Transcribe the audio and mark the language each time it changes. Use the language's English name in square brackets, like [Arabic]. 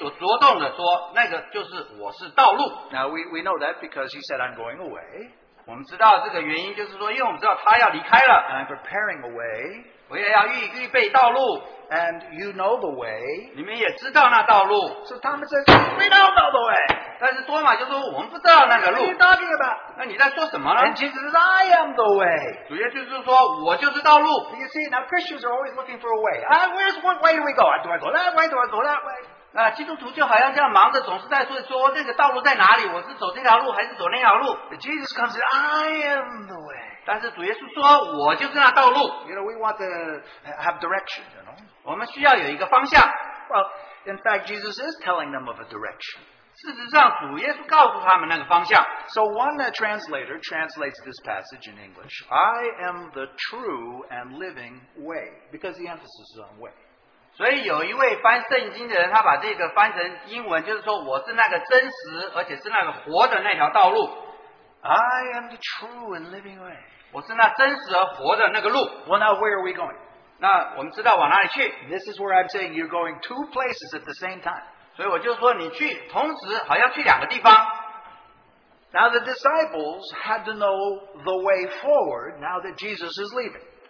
[Chinese] 所以若是我们看那个上下文，就知道主耶稣在这里所着重的说，那个就是我是道路。 [English] Now we know that because he said, I'm going away. [Chinese] 我们知道这个原因就是说，因为我们知道他要离开了。 [English] And I'm preparing a way. [Chinese] 我也要预备道路。 [English] And you know the way. [Chinese] 你们也知道那道路。 [English] So Thomas says, we don't know the way. [Chinese] 但是多马就说，我们不知道那个路。 [English] What are you talking about? [Chinese] 那你在说什么呢？ [English] And Jesus says, I am the way. [Chinese] 主耶稣就是说，我就是道路。 [English] You see, now Christians are always looking for a way. Where's what way do we go? Do I go that way? Do I go that way? [Chinese] 那基督徒就好像这样忙着，总是在说这个道路在哪里？我是走这条路还是走那条路？ [English] Jesus comes, I am the way. [Chinese] 但是主耶稣说，我就是那道路。 [English] You know, we want to have direction, you know. [Chinese] 我们需要有一个方向。 [English] Well, in fact, Jesus is telling them of a direction. [Chinese] 事实上，主耶稣告诉他们那个方向。 [English] So one translator translates this passage in English. I am the true and living way. Because the emphasis is on way. [Chinese] 所以有一位翻圣经的人，他把这个翻成英文，就是说我是那个真实而且是那个活的那条道路。 [English] I am the true and living way. [Chinese] 我是那真实而活的那个路。 [English] Well, now where are we going? [Chinese] 那我们知道往哪里去。 [English] This is where I'm saying you're going two places at the same time. [Chinese] 所以我就说你去，同时好像去两个地方。 [English] Now the disciples had to know the way forward now that Jesus is leaving.